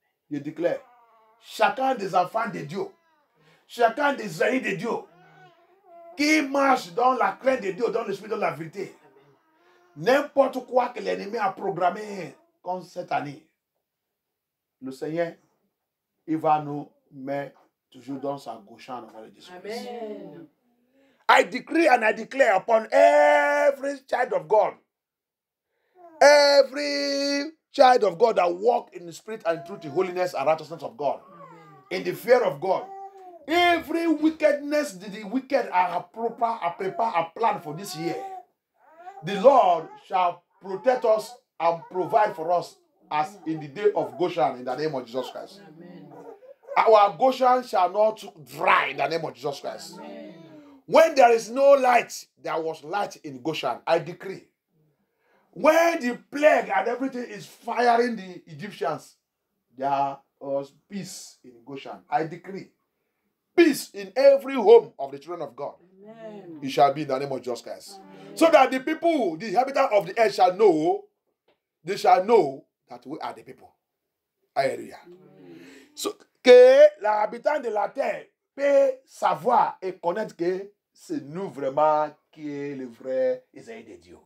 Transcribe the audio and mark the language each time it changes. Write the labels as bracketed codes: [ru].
[fr] Je déclare, chacun des enfants de Dieu, chacun des ennemis de Dieu, qui marche dans la crainte de Dieu, dans l'esprit de la vérité. N'importe quoi que l'ennemi a programmé comme cette année, le Seigneur, il va nous mettre toujours dans sa gauche en avant de Jésus. Amen. [en] I decree and I declare upon every child of God, every child of God that walk in the spirit and truth, in holiness and righteousness of God, in the fear of God, every wickedness that the wicked are prepared a plan for this year, the Lord shall protect us and provide for us as in the day of Goshen in the name of Jesus Christ. Amen. Our Goshen shall not dry in the name of Jesus Christ. Amen. When there is no light, there was light in Goshen. I decree. When the plague and everything is firing the Egyptians, there was peace in Goshen. I decree. Peace in every home of the children of God. Amen. It shall be in the name of Jesus Christ. Amen. So that the people, the inhabitants of the earth shall know, they shall know that we are the people. Alleluia. [fr] So, que l'habitant de la terre peut savoir et connaître que c'est nous vraiment qui est le vrai Israël de Dieu.